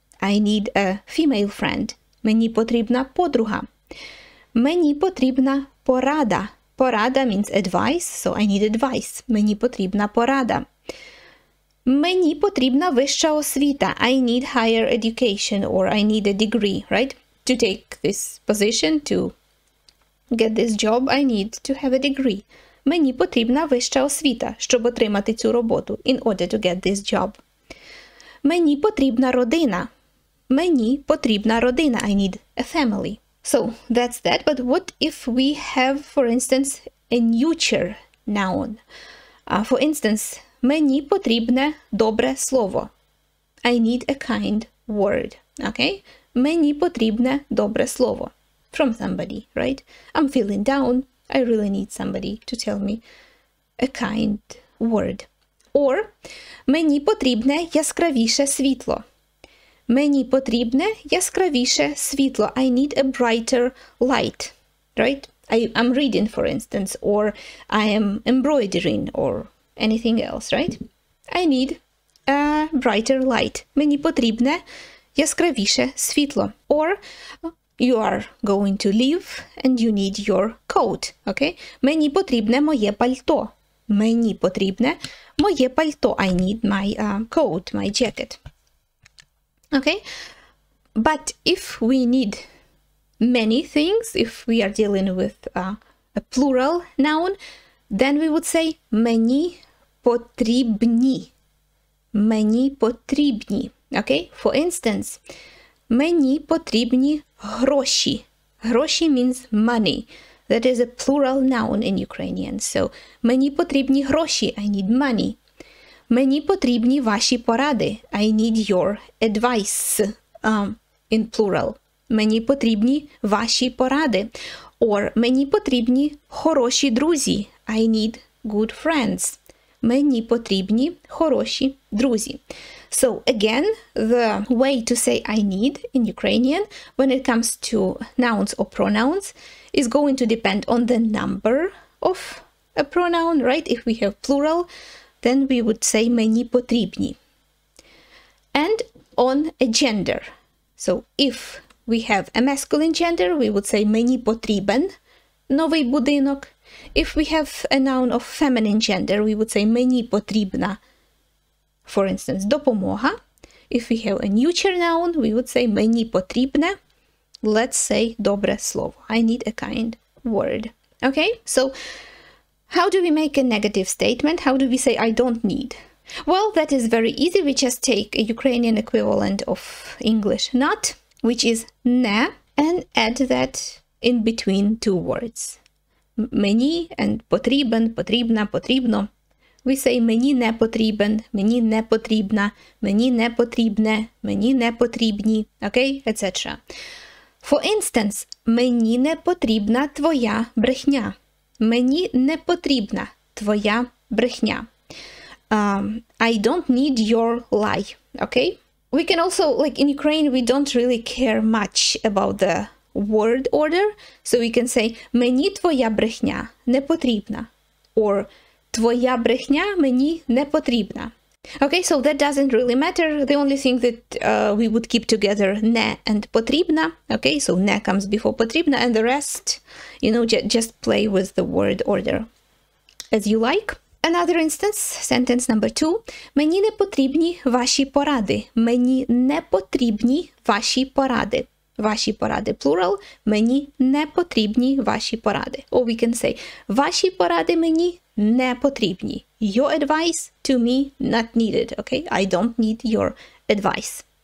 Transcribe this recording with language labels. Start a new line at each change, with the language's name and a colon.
English: I need a female friend.
Ukrainian: Мені потрібна подруга. Мені потрібна порада.
English: Порада means advice, so I need advice.
Ukrainian: Мені потрібна порада. Мені потрібна вища освіта.
English: I need higher education or I need a degree, right? To take this position, to get this job, I need to have a degree.
Ukrainian: Мені потрібна вища освіта, щоб отримати цю роботу,
English: in order to get this job.
Ukrainian: Мені потрібна родина. Мені потрібна родина.
English: I need a family. So, that's that, but what if we have, for instance, a neuter noun? For instance,
Ukrainian: мені потрібне добре слово.
English: I need a kind word, okay?
Ukrainian: Мені потрібне добре слово.
English: From somebody, right? I'm feeling down, I really need somebody to tell me a kind word.
Ukrainian: Or, мені потрібне яскравіше світло. Мені потрібне яскравіше світло.
English: I need a brighter light, right? I'm reading, for instance, or I am embroidering, or anything else, right? I need a brighter light.
Ukrainian: Мені потрібне яскравіше світло.
English: Or you are going to leave and you need your coat, okay?
Ukrainian: Мені потрібне моє пальто. Мені потрібне моє пальто.
English: I need my coat, my jacket. Okay, but if we need many things, if we are dealing with a plural noun, then we would say
Ukrainian: мені потрібні. Мені потрібні.
English: Okay, for instance,
Ukrainian: мені потрібні гроші.
English: Гроші means money. That is a plural noun in Ukrainian. So,
Ukrainian: мені потрібні гроші.
English: I need money.
Ukrainian: Мені потрібні ваші поради.
English: I need your advice, in plural.
Ukrainian: Мені потрібні ваші поради. Or, мені потрібні хороші друзі.
English: I need good friends.
Ukrainian: Мені потрібні хороші друзі.
English: So, again, the way to say I need in Ukrainian, when it comes to nouns or pronouns, is going to depend on the number of a pronoun, right? If we have plural, then we would say
Ukrainian: мені потрібні.
English: And on a gender. So if we have a masculine gender, we would say
Ukrainian: мені потрібен Новий будинок.
English: If we have a noun of feminine gender, we would say
Ukrainian: мені потрібна.
English: For instance, допомога. If we have a neuter noun, we would say
Ukrainian: мені потрібне.
English: Let's say
Ukrainian: добре слово.
English: I need a kind word. Okay? So, how do we make a negative statement? How do we say I don't need? Well, that is very easy. We just take a Ukrainian equivalent of English not, which is не, and add that in between two words.
Ukrainian: Мені and потрібен, потрібна, потрібно.
English: We say
Ukrainian: мені не потрібен, мені не потрібна, мені не потрібне, мені не потрібні, okay, etc.
English: For instance,
Ukrainian: мені не потрібна твоя брехня. Мені не потрібна твоя брехня.
English: I don't need your lie, okay? We can also, like in Ukraine, we don't really care much about the word order. So we can say,
Ukrainian: мені твоя брехня не потрібна. Or, твоя брехня мені не потрібна.
English: Okay, so that doesn't really matter. The only thing that we would keep together, не and потрібна. Okay, so не comes before потрібна. And the rest, you know, just play with the word order as you like. Another instance, sentence number two.
Ukrainian: Мені не потрібні ваші поради. Мені не потрібні ваші поради. Ваші поради, plural. Мені не потрібні ваші поради.
English: Or we can say,
Ukrainian: ваші поради мені не потрібні.
English: Your advice to me not needed, okay? I don't need your advice.